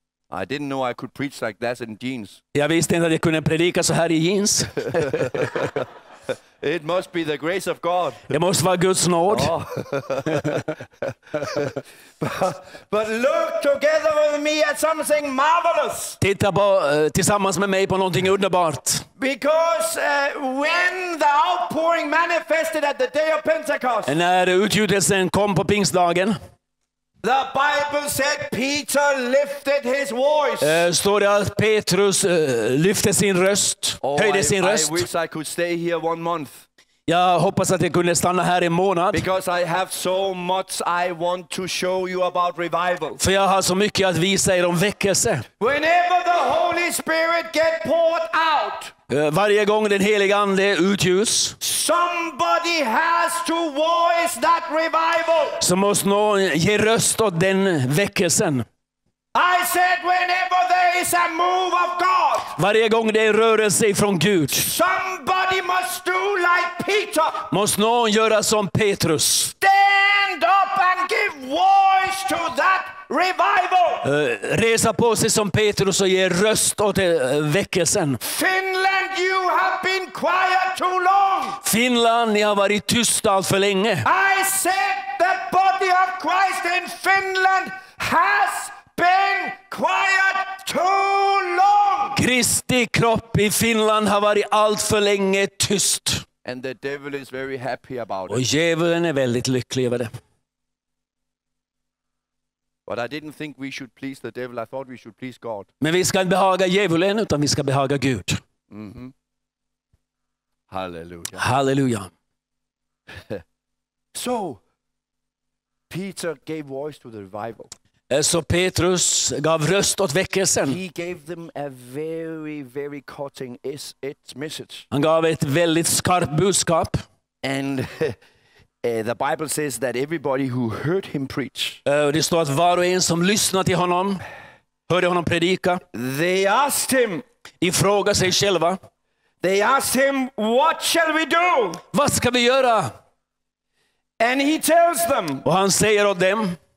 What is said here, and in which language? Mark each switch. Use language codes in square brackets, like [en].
[en] I didn't know I could preach like that in jeans. [sv] Jag visste inte att jag kunde predika så här i jeans. [en] It must be the grace of God. [sv] Det måste vara Guds nåd. [en] But look together with me at something marvelous. [sv] Titta på tillsammans med mig på någonting underbart. [en] Because when the outpouring manifested at the day of Pentecost. [sv] När utgjutelsen kom på pingstdagen. [en] The Bible said Peter lifted his voice. [sv] Står det att Petrus lyfte sin röst, höjde sin röst. [en] I wish I could stay here one month. [sv] Jag hoppas att jag kunde stanna här en månad. [en] Because I have so much I want to show you about revival. [sv] För jag har så mycket att visa er om väckelse. [en] Whenever the Holy Spirit get poured out. [sv] Varje gång den helige ande utgjuts. [en] Somebody has to voice that revival. [sv] Så måste någon ge röst åt den väckelsen. [en] I said whenever there is a move of God. [sv] Varje gång det rörer sig från Gud. [en] Somebody must do like Peter. [sv] Måste någon göra som Petrus. [en] Stand up and give voice to that revival. [sv] Resa på sig som Petrus och ge röst åt väckelsen. [en] Finland, you have been quiet too long. [sv] Finland, ni har varit tysta allt för länge. [en] I said the body of Christ in Finland has been quiet too long. [sv] Kristi kropp i Finland har varit allt för länge tyst. [en] And the devil is very happy about it. [sv] Och djävulen är väldigt lycklig över det. [en] But I didn't think we should please the devil. I thought we should please God. [sv] Men vi ska inte behaga djävulen utan vi ska behaga Gud. Mm-hmm. Halleluja. Halleluja. [en] So Peter gave voice to the revival. [sv] Så Petrus gav röst åt väckelsen. [en] He gave them a very, very cutting message. [sv] Han gav ett väldigt skarpt budskap. [en] And the Bible says that everybody who heard him preach. [sv] Det står att var och en som lyssnade till honom, hörde honom predika. [en] They asked him. [sv] De frågade sig själva. [en] They asked him, what shall we do? [sv] Vad ska vi göra? [en] And he tells them. [sv] Och han säger åt dem.